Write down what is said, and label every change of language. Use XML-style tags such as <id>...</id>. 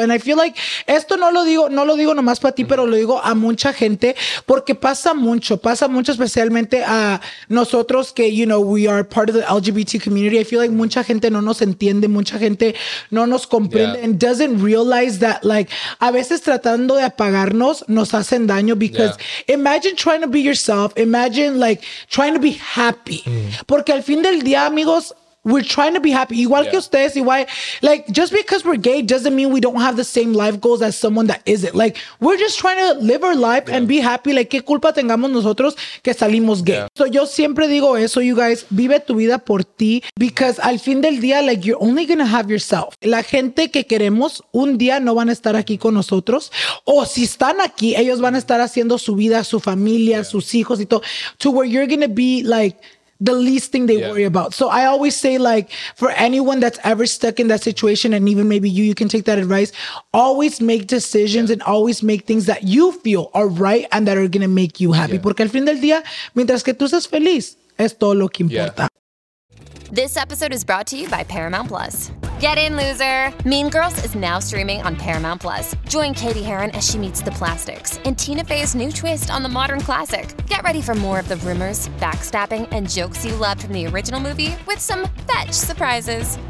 <es>And I feel like esto no lo digo, no lo digo nomás para ti, pero lo digo a mucha gente, porque pasa mucho, especialmente a nosotros que,</es> <en>you know, we are part of the LGBT community.</en> <es>I feel like mucha gente no nos entiende, mucha gente no nos comprende,</es> <en>and doesn't realize that,</en> <es>like, a veces tratando de apagarnos nos hacen daño,</es> <en>because imagine trying to be yourself, imagine like trying to be happy.</en> <es>Porque al fin del día, amigos,</es> <en>we're trying to be happy.</en> <es>Igual que ustedes, igual,</es> <en>like, just because we're gay doesn't mean we don't have the same life goals as someone that isn't. Like, we're just trying to live our life and be happy.</en> <es>Like, ¿qué culpa tengamos nosotros que salimos gay? So yo siempre digo eso,</es> <en>you guys,</en> <es>vive tu vida por ti, because al fin del día,</es> <en>like, you're only gonna have yourself.</en> <es>La gente que queremos un día no van a estar aquí con nosotros. O si están aquí, ellos van a estar haciendo su vida, su familia, sus hijos y todo.</es> <en>To where you're gonna be, like, the least thing they worry about. So I always say, like, for anyone that's ever stuck in that situation, and even maybe you can take that advice, always make decisions and always make things that you feel are right and that are going to make you happy.</en> <es>Porque al fin del día, mientras que tú seas feliz, es todo lo que importa.</es> <en>Yeah. This episode is brought to you by Paramount Plus. Get in, loser! Mean Girls is now streaming on Paramount Plus. Join Katie Heron as she meets the plastics and Tina Fey's new twist on the modern classic. Get ready for more of the rumors, backstabbing, and jokes you loved from the original movie with some fetch surprises.</en>